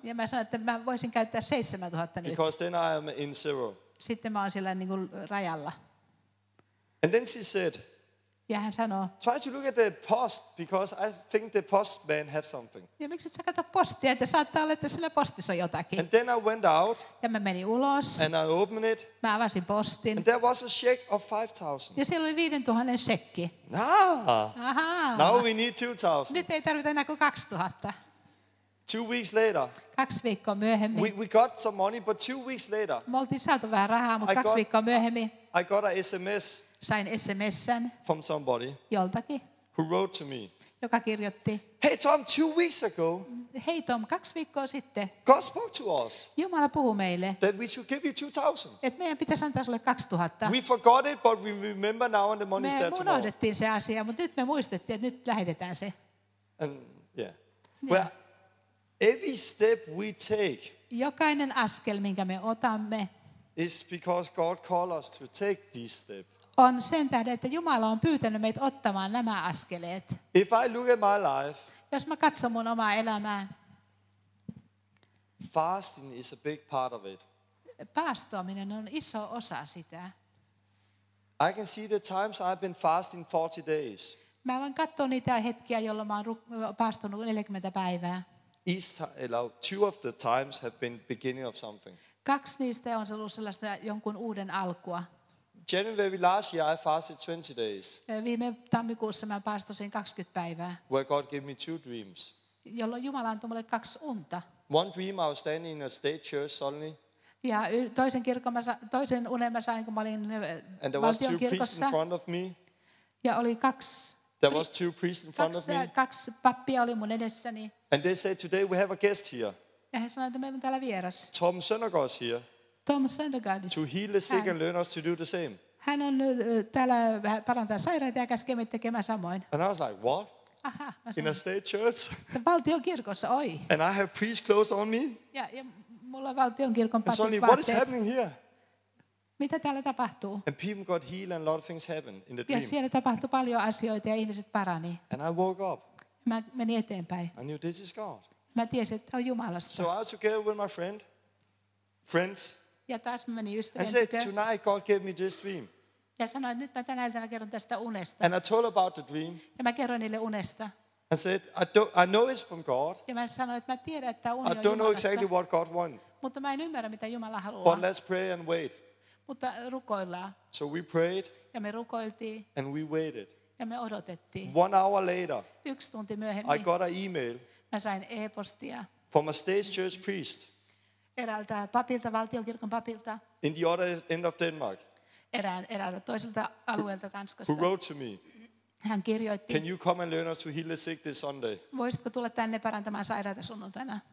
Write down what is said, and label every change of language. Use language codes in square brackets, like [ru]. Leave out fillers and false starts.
[fi] Ja mä sanoin, että mä voisin käyttää 7,000 nyt. [en] Because then I am in zero. [fi] Sitten mä oon sillä niin kuin rajalla. [en] And then she said. [fi] Ja hän sanoo. [en] Try to look at the post because I think the postman have something. [fi] Ja miksi et sä kato postia, että saattaa olla, että sillä postissa on jotakin. [en] And then I went out. [fi] Ja mä menin ulos. [en] And I opened it. [fi] Mä avasin postin. [en] And there was a check of 5,000. [fi] Ja siellä oli 5,000 shekki. [en] Ah. Now we need 2,000. [fi] Nyt ei tarvita enää kuin 2,000. [en] 2 weeks later. [fi] 2 viikkoa myöhemmin. [en] We got some money, but 2 weeks later. [fi] Me oltiin saatu vähän rahaa, mutta 2 viikkoa myöhemmin. [en] I got a SMS. [fi] Sain SMS:n [en] from somebody [fi] joltakin, [en] who wrote to me, [fi] joka kirjoitti, [en] hey Tom, 2 weeks ago, hey Tom, [fi] 2 viikkoa sitten, [en] God spoke to us, [fi] Jumala puhui meille, [en] that we should give you 2,000. [fi] Et meidän pitäisi antaa sulle 2,000. [en] We forgot it, but we remember now, and the money's there tomorrow. [fi] Me unohdettiin se asia, mutta nyt me muistettiin, että nyt lähetetään se. [en] And yeah, well, every step we take, [fi] jokainen askel, minkä me otamme, [en] is because God called us to take this step. [fi] On sen tähden, että Jumala on pyytänyt meitä ottamaan nämä askeleet. [en] If I look at my life, [fi] jos mä katson mun omaa elämää, [en] fasting is a big part of it. [fi] Paastoaminen on iso osa sitä. [en] I can see the times I've been fasting 40 days. [fi] Mä voin katsoa niitä hetkiä, jolloin mä oon paastunut 40 päivää. [en] Two of the times have been beginning of something. [fi] Kaksi niistä on ollut sellaista jonkun uuden alkua. [en] January last year I fasted 20 days. [fi] Viime tammikuussa mä paastosin 20 päivää. [en] Where God gave me 2 dreams. [fi] Jolloin Jumala antoi mulle 2 unta. [en] One dream I was standing in a state church suddenly. [fi] Ja toisen unen mä sain, kun mä olin valtionkirkossa. [en] And there was 2 priests in front of me. [fi] Ja oli kaksi. [en] There was 2 priests in front of me. [fi] Kaksi pappia oli mun edessäni. [en] And they said, today we have a guest here. [fi] Ja he sanoivat, että meillä on täällä vieras. [en] Tom Søndergaard here. [fi] Tom Søndergaard. [en] To heal the sick and learn us to do the same. [fi] Hän on täällä parantaa sairaita ja käskee meitä tekemään samoin. [en] And I was like, what? [fi] Aha, [en] in a state church? [fi] Valtionkirkossa, oi. [en] And I have priest clothes on me? [fi] Ja mulla on valtionkirkon pappi vaatteet. [en] What is happening here? [fi] Mitä täällä tapahtuu? [en] And people got healed and a lot of things happened in the dream. [fi] Ja siellä tapahtui paljon asioita ja ihmiset parani. [en] And I woke up. [fi] Mä menin eteenpäin. [en] I knew this is God. [fi] Mä tiesin, että on Jumalasta. [en] So I was together with my friends. [fi] Ja taas mä menin ystävien tykö. [en] I said, tonight God gave me this dream. [fi] Ja sanoin, että nyt mä tänä iltana kerron tästä unesta. [en] And I told about the dream. [fi] Ja mä kerron niille unesta. [en] I said, I know it's from God. [fi] Ja mä sanoin, että mä tiedän, että on Jumalasta. [en] I don't know exactly what God wants. [fi] Mutta mä en ymmärrä, mitä Jumala haluaa. [en] But let's pray and wait. [fi] Mutta rukoillaan. [en] So we prayed. [fi] Ja me rukoiltiin. [en] And we waited. [fi] Ja me odotettiin. [en] 1 hour later. [fi] Yksi tunti myöhemmin. [en] I got an email. [fi] Mä sain e-postia. [en] From a stage church priest. [fi] Eräältä papilta, valtiokirkon papilta. [en] In the other end of Denmark. [fi] Eräältä toiselta alueelta Tanskasta. [en] Who wrote to me? [fi] Hän kirjoitti. [en] Can you come and learn us to heal the sick this Sunday? [fi] Voisitko tulla tänne parantamaan sairaita sunnuntaina?